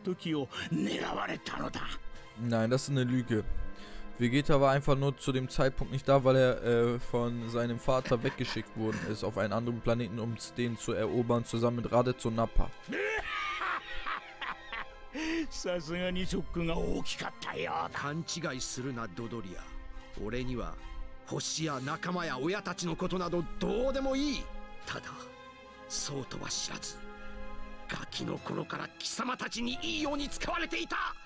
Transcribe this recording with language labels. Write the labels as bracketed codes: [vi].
[ja] そして、フリーザ様自らが惑星ベジータをサイヤ人もろとも消し去ったのだ。だがベジータ、フリーザ様に感謝しろよ。お前の天才的な腕は使えそうだったので、わざわざお前が星にいない時を狙われたのだ。 [de] Nein, das ist eine Lüge. Vegeta war einfach nur zu dem Zeitpunkt nicht da, weil er von seinem Vater weggeschickt worden ist auf einen anderen Planeten, um den zu erobern, zusammen mit Raditz und Nappa. [ja] さすがにショックが大きかったよ。勘違いするな、ドドリア。俺には星や仲間や親たちのことなどどうでもいい。ただ、そうとは知らず、ガキの頃から貴様たちにいいように使われていた。